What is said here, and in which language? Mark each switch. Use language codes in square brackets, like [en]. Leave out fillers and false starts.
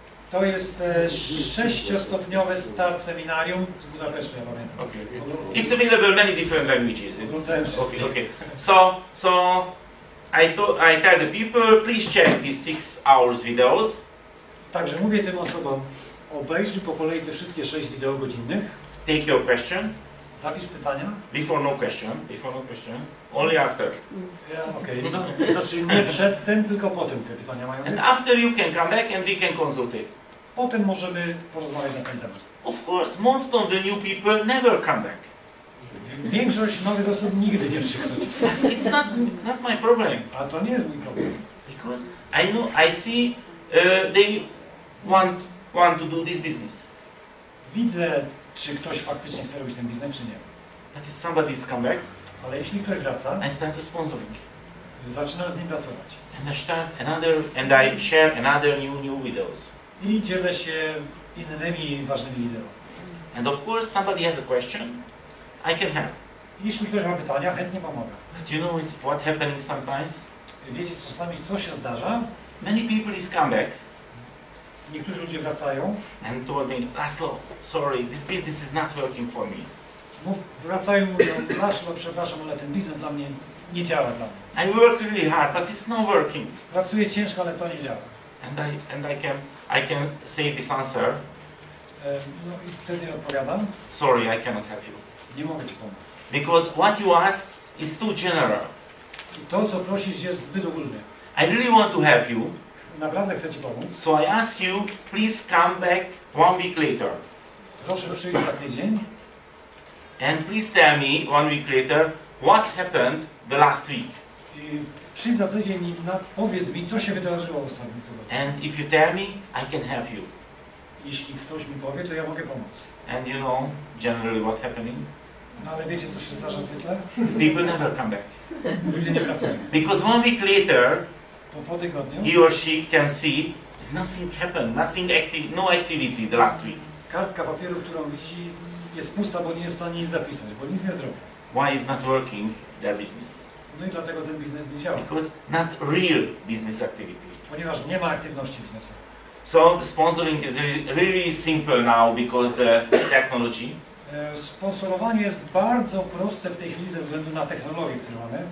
[pl] To jest 6-stopniowe start seminarium z Budapesztu, ja pamiętam. [en] Okay. It's available many different languages. Okay. So I tell the people, please check these 6 hours videos. [pl] Także mówię tym osobom, obejrzyj po kolei te wszystkie 6 wideo godzinnych. [en] Take your question. [pl] Zapisz pytania. [en] Before no question. Only after. Yeah, okay. [pl] Znaczy nie przed tym, tylko potem te pytania mają być. [en] And after you can come back and we can consult it. [pl] Potem możemy porozmawiać na ten temat. [en] Of course, most of the new people never come back. [pl] Większość nowych osób nigdy nie przychodzi. [en] It's not my problem. [pl] A to nie jest mój problem. [en] Because I know, I see they want to do this business. [pl] Widzę, czy ktoś faktycznie chce robić ten biznes, czy nie. [en] But if somebody has come back, [pl] ale jeśli ktoś wraca, [en] I start with sponsoring. [pl] Zaczynam z nim pracować. [en] And I start another, and I share another new videos. [pl] I dzielę się innymi ważnymi wideo. [en] And of course, somebody has a question, I can help. [pl] Jeśli ktoś ma pytania, chętnie pomogę. [en] But you know what happening sometimes? [pl] Wiecie, czasami co się zdarza? [en] Many people has come back. [pl] Niektórzy ludzie wracają. [en] And told me, Laszlo, sorry, this business is not working for me. [pl] Wracają i mówią, Laszlo, przepraszam, ale ten biznes dla mnie nie działa. [en] I work really hard, but it's not working. [pl] Pracuję ciężko, ale to nie działa. [en] And I can say this answer. [pl] No i wtedy odpowiadam. [en] Sorry, I cannot help you. [pl] Nie mogę ci pomóc. [en] Because what you ask is too general. [pl] To, co prosisz, jest zbyt ogólne. [en] I really want to help you. [pl] Naprawdę chcę ci pomóc. [en] So I ask you, please come back 1 week later. [pl] Proszę przyjść za tydzień. [en] And please tell me 1 week later what happened the last week. [pl] Przyjdź za tydzień i powiedz mi, co się wydarzyło w ostatnim tygodniu. [en] And if you tell me, I can help you. [pl] Jeśli ktoś mi powie, to ja mogę pomóc. [en] And you know generally what happening? [pl] No ale wiecie, co się zdarza zwykle? [en] People never come back. [pl] Ludzie nie wracają. [en] Because 1 week later. [pl] Po tygodniu, [en] he or she can see is nothing happened, nothing active, no activity the last week. [pl] Kartka papieru, którą widzi, jest pusta, bo nie jest w stanie jej zapisać, bo nic nie zrobił. [en] Why is not working their business? [pl] No i dlatego ten biznes nie działa. [en] Because not real business activity. [pl] Ponieważ nie ma aktywności biznesowej. [en] So the sponsoring is really simple now because the technology. [pl] Sponsorowanie jest bardzo proste w tej chwili ze względu na technologię, którą mamy.